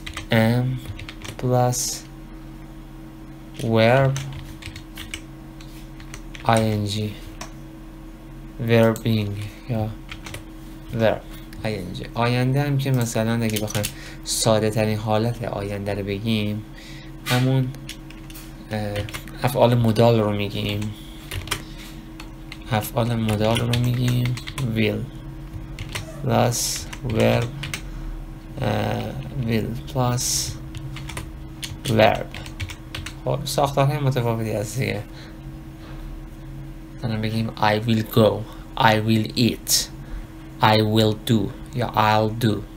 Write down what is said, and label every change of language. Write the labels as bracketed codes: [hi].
[en] am plus verb ing، verb being [fa] یا [en] verb ing. [fa] آینده هم که مثلا اگه بخوایم ساده ترین حالت آینده رو بگیم، همون افعال مدال رو میگیم، افعال مدال رو میگیم [en] will plus verb will plus verb. [fa] خب ساختار هم متفاوتی از دیگه. مثلا بگیم [en] I will go، I will eat، I will do یا I'll do.